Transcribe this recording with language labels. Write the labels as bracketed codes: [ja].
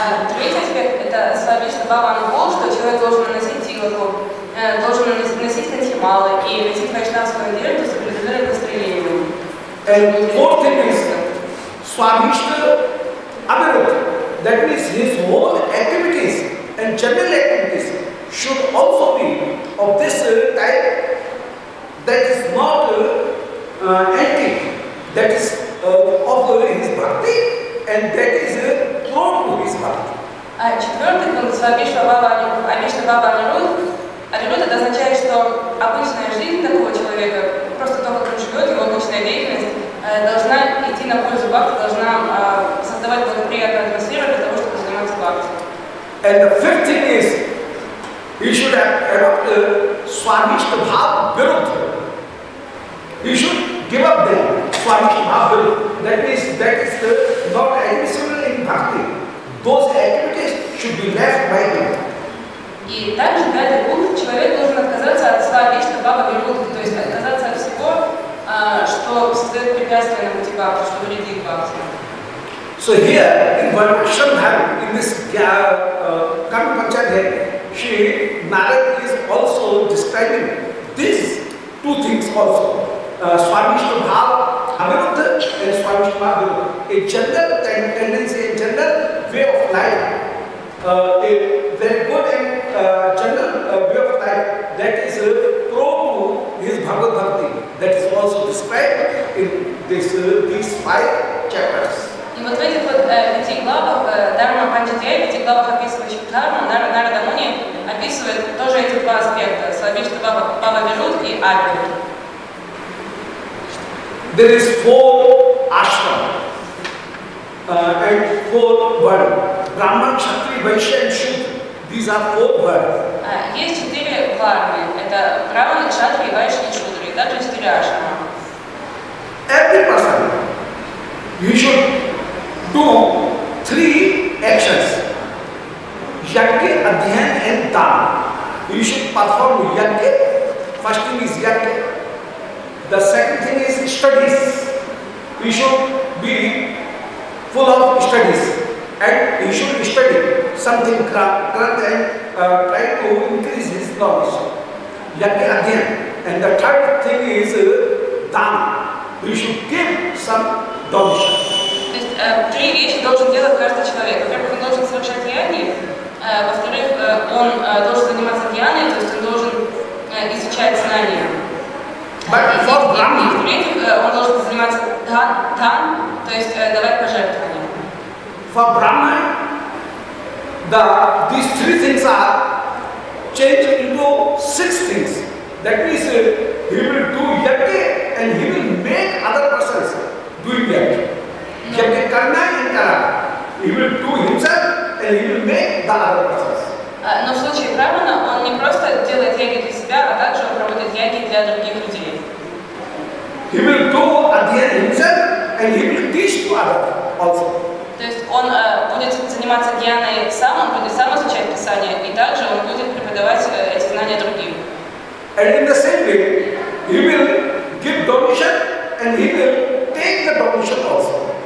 [ru] Третий аспект – это сообщество Бхагавана Бога, что человек должен наносить йогу, должен наносить антималы и носить вайшнавскую одежду с определенным настроением. [en] And fourth thing is Swamishtha Abhirut, that means his whole activities and general activities should also be of this type that is not empty, that is of his bhakti and that is prone to his bhakti. [ru] Четвертый пункт Swamishtha Abhirut, Abhirut это означает, что обычная жизнь такого человека, просто то, как он живет, его обычная деятельность, должна идти на пользу бхакти, должна создавать благоприятную атмосферу для того, чтобы заниматься бхакти. [en] And the fifth thing is, he should adopt the Swamishtha Bhava Virut. He should give up the Swamishtha Bhava Virut. That means that is not admissible in bhakti. Those activities should be left by him. [ru] И также, пятый пункт, человек должен отказаться от Свамишна Бхава Вирут, то есть отказаться от всего, что создает препятствие на пути бхакти, что вредит бхакти. [en] So here, in Vaishnava Dharma, in this Karma Panchayate, Shri Narada is also describing these two things also. Swamishtha Bhava Abhirut and Swamishtha Bhava Abhirut. A general tendency, a general way of life, a very good and general way of life that is prone to his Bhagavad Bhakti. That is also described in this, these five chapters. [ru] И вот в этих вот пяти главах Дарма Панчатея, в этих главах описывающих Дарму, Нарада Муни описывает тоже эти два аспекта, Свамишта Бхава Вирут и Абхирут. [en] There is four ashram and four varna. Brahman, Kshatriya, Vaishya and Shudra. These are four varna. [ru] Есть четыре варны. Это Брахман, Кшатрия, Вайшья и Шудра. Также четыре ашрама. [en] Every person, you should do three actions, yajna, adhyayan and dana. You should perform yajna, first thing is yajna, the second thing is studies, you should be full of studies and you should study something grant and try to increase his knowledge, yajna, adhyayan, and the third thing is dana, you should give some donation. [ru] Три вещи должен делать каждый человек. Во-первых, он должен совершать яги, во-вторых, он должен заниматься дьяной, то есть он должен изучать знания. И в-третьих, он должен заниматься дан, то есть давать пожертвования. [en] For Brahma, the, these three things are changed into six things. That means he will do yagya and he will make other persons do yagya. [hi] Yajna karna and kara. [en] He will do himself and he will make the other persons. [ru] Но в случае Брахмана он не просто делает яги для себя, а также он проводит яги для других людей. [en] He will do adhyayan himself and he will teach to others also. [ru] То есть он будет заниматься дьяной сам, он будет сам изучать писание и также он будет преподавать эти знания другим. [en] And in the same way, he will give donation and he will take the donation also.